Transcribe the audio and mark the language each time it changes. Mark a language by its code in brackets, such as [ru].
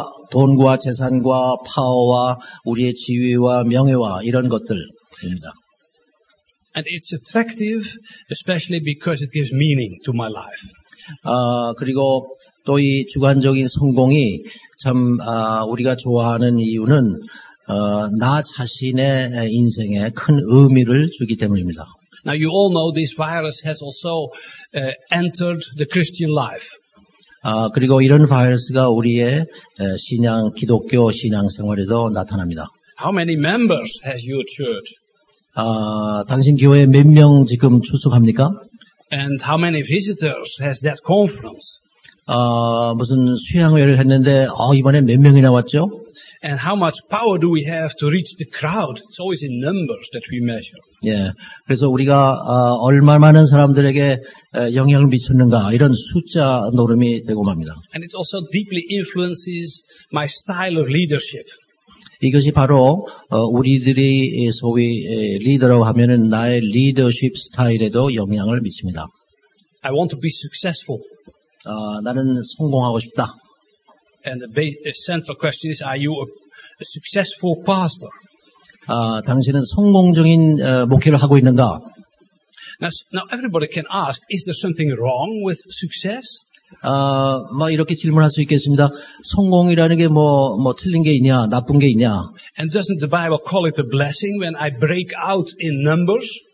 [ko] 돈과 재산과 파워와 우리의 지위와 명예와 이런 것들입니다. [en] And it's attractive especially because it gives meaning to my life. [ko] 그리고 또 이 주관적인 성공이 참 우리가 좋아하는 이유는 나 자신의 인생에 큰 의미를 주기 때문입니다. [en] Now you all know this virus has also entered the Christian life. [ko] 그리고 이런 바이러스가 우리의 신앙 기독교 신앙 생활에도 나타납니다. [en] How many members has your church? [ko] 당신 교회 몇 명 지금 출석합니까? [en] And how many visitors has that conference? [ko] 무슨 수양회를 했는데 이번에 몇 명이나 왔죠? [en] And how much power do we have to reach the crowd? It's always in numbers that we measure. [ko] 예, 그래서 우리가 얼마 많은 사람들에게 영향을 미쳤는가 이런 숫자 노름이 되고 맙니다. [en] And it also deeply influences my style of leadership. [ko] 이것이 바로 우리들이 소위 리더라고 하면은 나의 리더십 스타일에도 영향을 미칩니다. [en] I want to be successful. [ko] 나는 성공하고 싶다. [en] And the central question is, are you a successful pastor? [ko] 당신은 성공적인 목회를 하고 있는가? [en] Now everybody can ask, is there something wrong with success? [ko] 이렇게 질문할 수 있겠습니다. 성공이라는 게 뭐 틀린 게 있냐, 나쁜 게 있냐? [en] And doesn't the Bible call it a blessing when I break out in numbers?